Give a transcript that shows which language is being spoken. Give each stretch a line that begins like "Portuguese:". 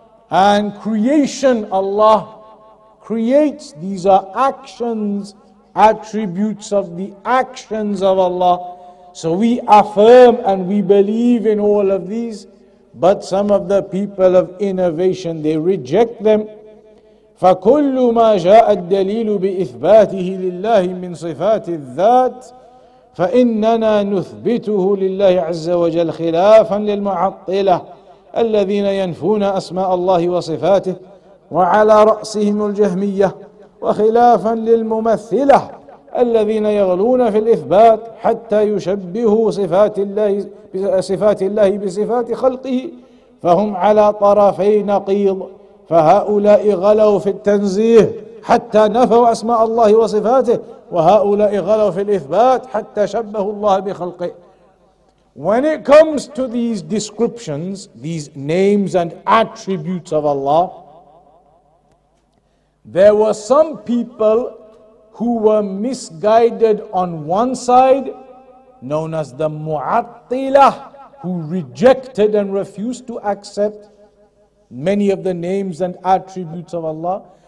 English: And creation, Allah creates. These are actions, attributes of the actions of Allah. So we affirm and we believe in all of these. But some of the people of innovation, they reject them.
Arabic: فكل ما جاء الدليل بإثباته لله من صفات الذات فإننا نثبته لله عز وجل خلافا للمعطلة الذين ينفون أسماء الله وصفاته وعلى رأسهم الجهمية وخلافا للممثلة الذين يغلون في الإثبات حتى يشبهوا صفات الله بصفات خلقه فهم على طرفي نقيض. فهؤلاء غلوا في التنزيه حتى نفوا أسماء الله وصفاته وهؤلاء غلوا في الإثبات حتى شبهوا الله بخلقه.
English: When it comes to these descriptions, these names and attributes of Allah, there were some people who were misguided on one side, known as the Mu'attilah, who rejected and refused to accept many of the names and attributes of Allah.